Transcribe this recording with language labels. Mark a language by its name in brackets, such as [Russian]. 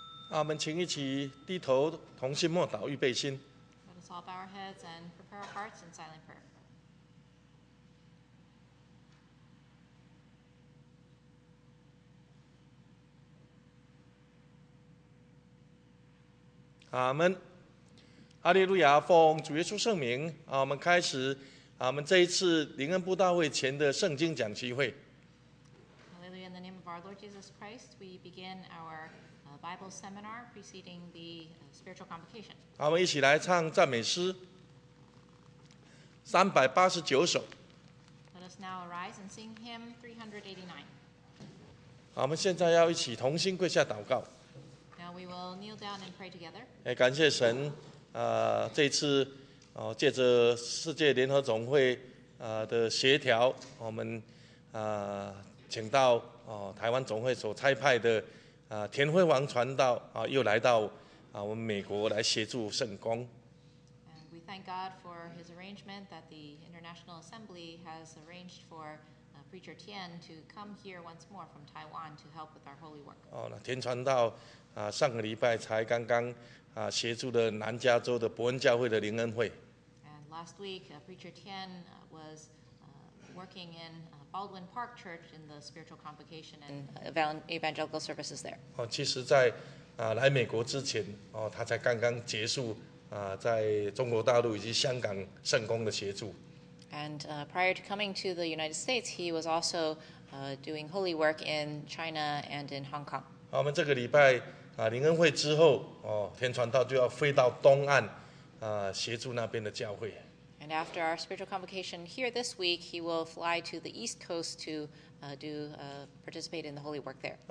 [Chinese] 我们请一起低头同心默祷预备心。 [English] Let us all bow our heads and prepare our hearts in silent prayer. Amen. Hallelujah. [Chinese] 奉主耶稣圣名，我们开始我们这一次灵恩布道会前的圣经讲习会。 [English] Hallelujah. In the name of our Lord Jesus Christ, we begin our Bible seminar preceding the spiritual convocation. [Chinese] 我们一起来唱赞美诗389首。 [English] Let us now arise and sing hymn 389. [Chinese] 好，我们现在要一起同心跪下祷告。 [English] Now we will kneel down and pray together. [Chinese] 感谢神，这次借着世界联合总会的协调，我们请到台湾总会所差派的田辉煌传道又来到我们美国来协助圣工。 [English] And we thank God for his arrangement that the International Assembly has arranged for Preacher Tian to come here once more from Taiwan to help with our holy work. [Chinese] 田传道上个礼拜才刚刚协助了南加州的伯恩教会的灵恩会。 [English] And last week, Preacher Tian was working in Baldwin Park Church in the spiritual convocation and evangelical services there. [Chinese] 其实在来美国之前，他才刚刚结束在中国大陆以及香港圣工的协助。 [English] And prior to coming to the United States, he was also doing holy work in China and in Hong Kong. [Chinese] 我们这个礼拜灵恩会之后，田传道就要飞到东岸协助那边的教会。 [English] And after our spiritual convocation here this week, he will fly to the East Coast to participate in the holy work there.